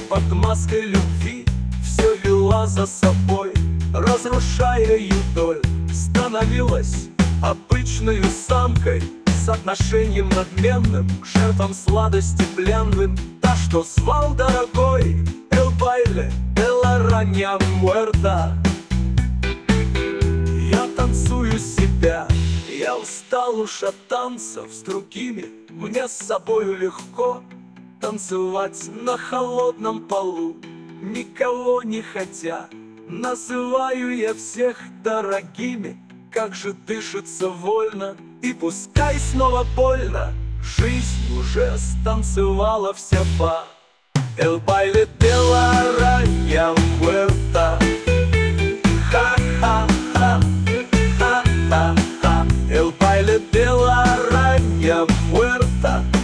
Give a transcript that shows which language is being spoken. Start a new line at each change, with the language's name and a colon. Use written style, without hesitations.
Russian: Маской любви все вела за собой, разрушая ее доль. Становилась обычной самкой, с отношением надменным, жертвом сладости пленным. Та, что звал дорогой,
Spanish: el baile de la araña muerta.
Russian: Я танцую себя, я устал уж от танцев с другими, мне с собою легко танцевать на холодном полу, никого не хотя. Называю я всех дорогими, как же дышится вольно, и пускай снова больно, жизнь уже станцевала вся па.
Spanish: El baile de la araña muerta. Ха-ха-ха, ха-ха-ха. El baile de la araña muerta.